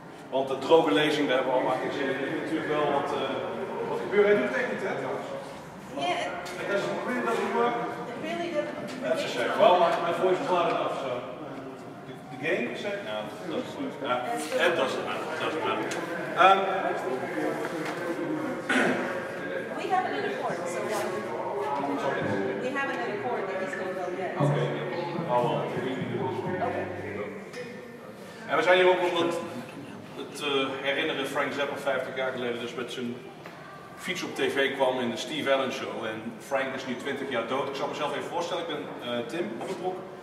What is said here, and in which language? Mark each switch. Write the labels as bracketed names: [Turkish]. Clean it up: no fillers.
[Dutch] Want de droge lezing daar hebben we allemaal geen zin in. Natuurlijk wel wat gebeurt. Hij doet het hè, trouwens. [English] Yeah. It doesn't really doesn't work. It really doesn't work. That's a shame. Well, my voice is loud enough, so. The game, you said? No, that doesn't work. That doesn't matter. We have another chord, so we have another chord that he's going to go get. Okay. Oh, well, we need to do this. Okay. [Dutch] En we zijn hier ook om het herinneren Frank Zappa 50 jaar geleden, dus met zijn fiets op tv kwam in de Steve Allen Show. En Frank is nu 20 jaar dood. Ik zal mezelf even voorstellen, ik ben Tim van de Broek.